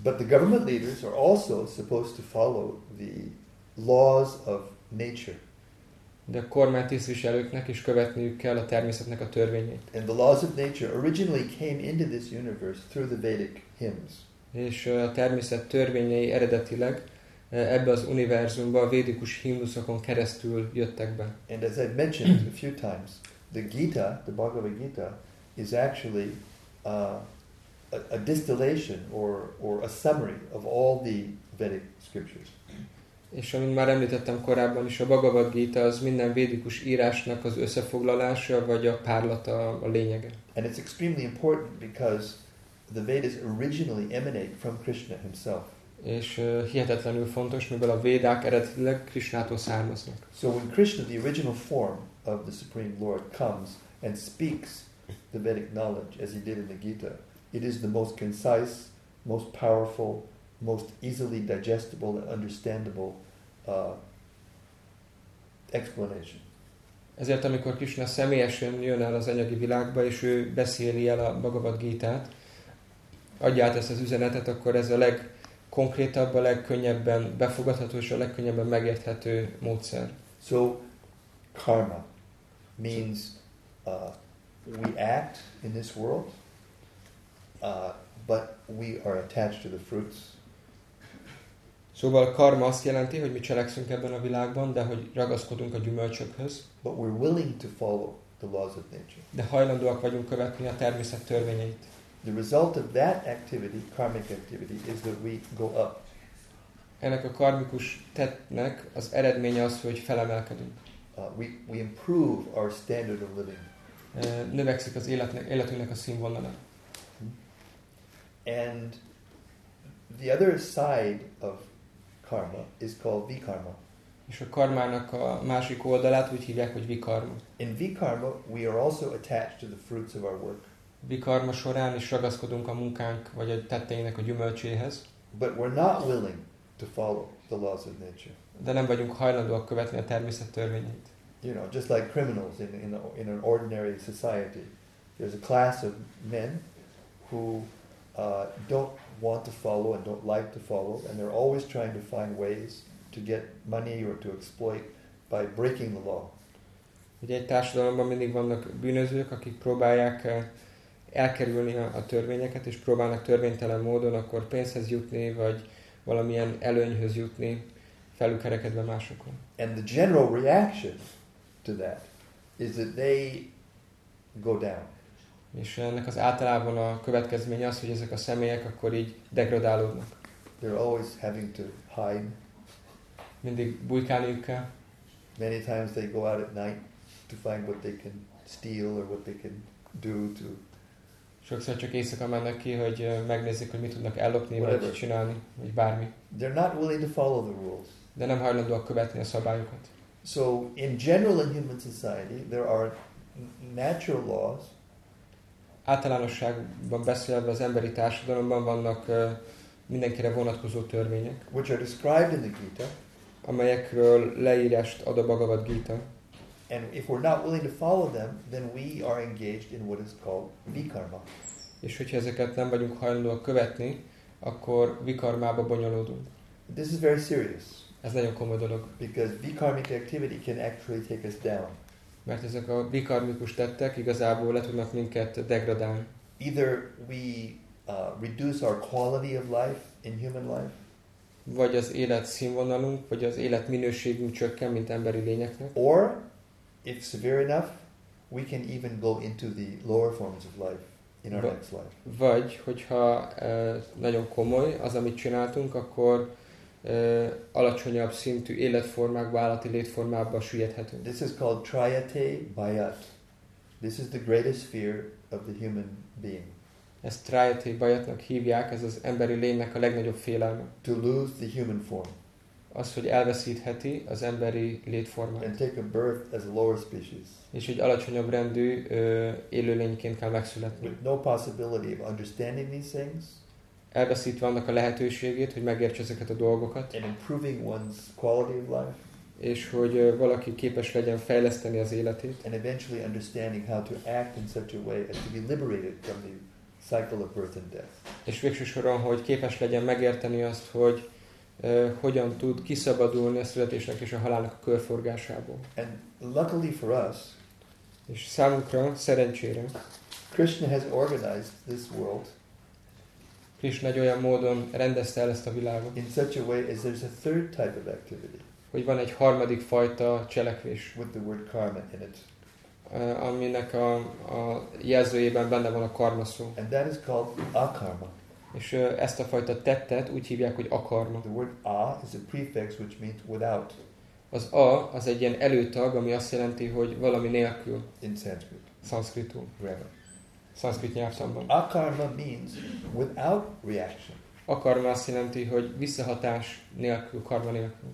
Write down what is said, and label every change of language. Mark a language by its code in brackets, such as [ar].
[en] But the government leaders are also supposed to follow the laws of nature. [hu] De a kormány tisztviselőknek is követniük kell a természetnek a törvényét. [en] And the laws of nature originally came into this universe through the Vedic hymns. [hu] És a természet törvényei eredetileg ebbe az univerzumba a védikus himnuszokon keresztül jöttek be. [en] And as I've mentioned a few times, the Gita, the Bhagavad Gita, is actually a distillation or a summary of all the Vedic scriptures. [hu] És amint már említettem korábban is, a Bhagavad Gita az minden védikus írásnak az összefoglalása, vagy a párlata, a lényege. [en] And it's extremely important because the Vedas originally emanate from Krishna himself. [hu] És hihetetlenül fontos, mivel a Védák eredetileg Krishnától származnak. [en] So when Krishna, the original form of the Supreme Lord, comes and speaks the Vedic knowledge as he did in the Gita, it is the most concise, most powerful, most easily digestible and understandable explanation. [hu] Ezért amikor Krishna személyesen jön el az anyagi világba, és ő beszéli el a Bhagavad Gítát, adja át ezt az üzenetet, akkor ez a legkonkrétabb, a legkönnyebben befogadható és a legkönnyebben megérthető módszer. [en] So, karma means we act in this world, but we are attached to the fruits. [hu] Szóval karma azt jelenti, hogy mi cselekszünk ebben a világban, de hogy ragaszkodunk a gyümölcsökhöz. [en] But we're willing to follow the laws of nature. [hu] De hajlandóak vagyunk követni a természet törvényeit. [en] The result of that activity, karmic activity, is that we go up. [hu] Ennek a karmikus tettnek az eredménye az, hogy felemelkedünk. [en] We improve our standard of living. [hu] Növekszik az életünknek a színvonala. [en] And The other side of karma is called vikarma. [hu] És a karmának a másik oldalát úgy hívják, hogy vikarma. [en] In vikarma, we are also attached to the fruits of our work. [hu] Vikarma során is ragaszkodunk a munkánk vagy a tetteinek a gyümölcséhez. [en] But we're not willing to follow the laws of nature. [hu] De nem vagyunk hajlandóak követni a természet törvényeit. [en] You know, just like criminals in an ordinary society, there's a class of men who don't want to follow and don't like to follow, and they're always trying to find ways to get money or to exploit by breaking the law. [hu] Ugye egy társadalomban mindig vannak bűnözők, akik próbálják elkerülni a törvényeket, és próbálnak törvénytelen módon akkor pénzhez jutni, vagy valamilyen előnyhöz jutni, felülkerekedve másokon. [en] And the general reaction to that is that they go down. [hu] És ennek az általában a következménye az, hogy ezek a személyek akkor így degradálódnak. [en] They're always having to hide. [hu] Mindig bujkálniuk kell. [en] Many times they go out at night to find what they can steal or what they can do to. [hu] Sokszor csak éjszaka mennek ki, hogy megnézzék, hogy mit tudnak ellopni, vagy csinálni, vagy bármi. [en] They're not willing to follow the rules. [hu] De nem hajlandóak követni a szabályokat. [en] So in general in human society there are natural laws. [hu] Általánosságban beszélve az emberi társadalomban vannak mindenkire vonatkozó törvények. [en] Which are described in the Gita. [hu] Amelyekről leírást ad a Bhagavad Gita. [en] And if we're not willing to follow them, then we are engaged in what is called vikarma. [hu] És hogyha ezeket nem vagyunk hajlandóak követni, akkor vikarmába bonyolódunk. [en] This is very serious. [hu] Ez nagyon komoly dolog. [en] Because vikarmic activity can actually take us down. [hu] Mert ezek a vikarmikus tettek igazából le tudnak minket degradálni. [en] Either we reduce our quality of life in human life. [hu] Vagy az élet színvonalunk, vagy az élet minőségünk csökken, mint emberi lényeknek. [en] Or, if severe enough, we can even go into the lower forms of life in our next life. [hu] Vagy, hogyha nagyon komoly az, amit csináltunk, akkor alacsonyabb szintű életformákba, állati létformákba süllyedhetünk. [en] This is called triate bayat. This is the greatest fear of the human being. [hu] Ezt triate bayatnak hívják, ez az emberi lénynek a legnagyobb félelme. [en] To lose the human form. [hu] Az, hogy elveszítheti az emberi létformát. [en] And take a birth as a lower species. [hu] És hogy alacsonyabb rendű élőlényként kell megszületni. [en] With no possibility of understanding these things. [hu] Elveszítve annak a lehetőségét, hogy megértse ezeket a dolgokat. [en] And improving one's quality of life. [hu] És hogy valaki képes legyen fejleszteni az életét. [en] And eventually understanding how to act in such a way as to be liberated from the cycle of birth and death. [hu] És végső soron, hogy képes legyen megérteni azt, hogy hogyan tud kiszabadulni a születésnek és a halálnak a körforgásából. [en] And luckily for us, [hu] és számunkra, szerencsére, [en] Krishna has organized this world. [hu] Krishna egy olyan módon rendezte el ezt a világot. [en] In such a way as there's a third type of activity. [hu] Hogy van egy harmadik fajta cselekvés. [en] With the word karma in it. [hu] Aminek a jelzőjében benne van a karma szó. [en] And that is called akarma. [hu] És ezt a fajta tettet úgy hívják, hogy akarma. [en] The word a is a prefix which means without. [hu] Az a az egy ilyen előtag, ami azt jelenti, hogy valami nélkül. [en] In Sanskrit. [hu] Sanskritul. [en] Grammar. [hu] Sanskrit nyelvtanban. [en] Akarma means without reaction. [hu] Akarma azt jelenti, hogy visszahatás nélkül, karma nélkül.